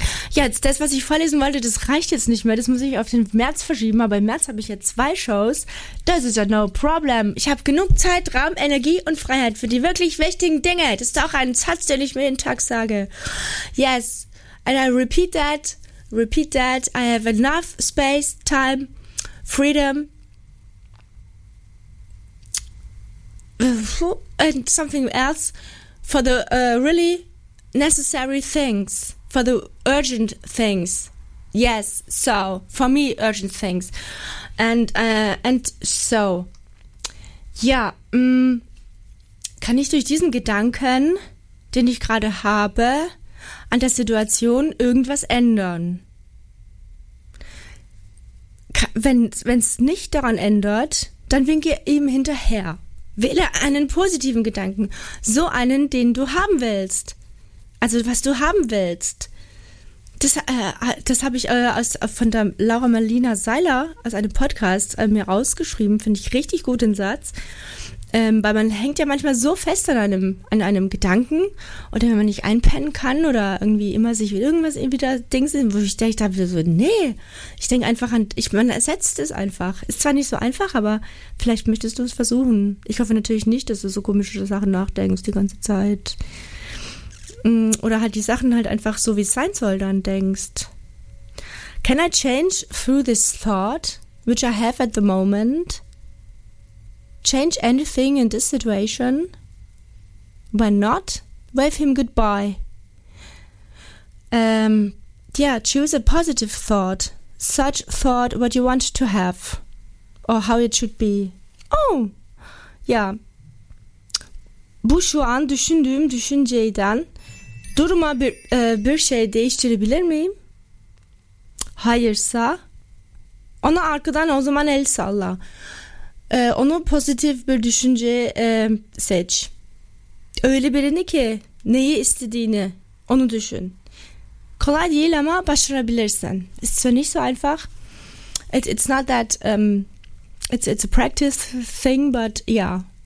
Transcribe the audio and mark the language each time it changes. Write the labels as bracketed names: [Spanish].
[German] Jetzt, das, was ich vorlesen wollte, das reicht jetzt nicht mehr. Das muss ich auf den März verschieben. Aber im März habe ich jetzt 2 Shows. Das ist ja [English] no problem. [German] Ich habe genug Zeit, Raum, Energie und Freiheit für die wirklich wichtigen Dinge. Das ist auch ein Satz, den ich mir jeden Tag sage. [English] Yes. And I repeat that. I have enough space, time, freedom. And something else for the really necessary things, for the urgent things. Yes, so for me urgent things, and so [German] ja, kann ich durch diesen Gedanken, den ich gerade habe, an der Situation irgendwas ändern? Wenn es nicht daran ändert, dann winke ihm hinterher. Wähle einen positiven Gedanken. So einen, den du haben willst. Also, was du haben willst. Das habe ich von der Laura Marlina Seiler aus einem Podcast mir rausgeschrieben. Finde ich richtig gut, den Satz. Weil man hängt ja manchmal so fest an einem Gedanken. Oder wenn man nicht einpennen kann oder irgendwie immer sich irgendwas irgendwie da Dings, wo ich denke, so, nee. Ich denke einfach an, man ersetzt es einfach. Ist zwar nicht so einfach, aber vielleicht möchtest du es versuchen. Ich hoffe natürlich nicht, dass du so komische Sachen nachdenkst die ganze Zeit. Oder halt die Sachen halt einfach so, wie es sein soll, dann denkst. [English] Can I change through this thought, which I have at the moment? Change anything in this situation? Why not? Wave him goodbye. Choose a positive thought. Such thought what you want to have. Or how it should be. Oh! Ja. [Turkish] Bu şu an düşündüğüm düşünceyden duruma bir şey değiştirebilir miyim? Hayırsa ona arkadan o zaman el salla. Onu pozitif bir düşünce seç. öyle birini ki neyi istediğini onu düşün. Kolay değil ama başarabilirsin. [German] Ist so nicht so einfach. [English] It's not that it's a practice thing, but yeah.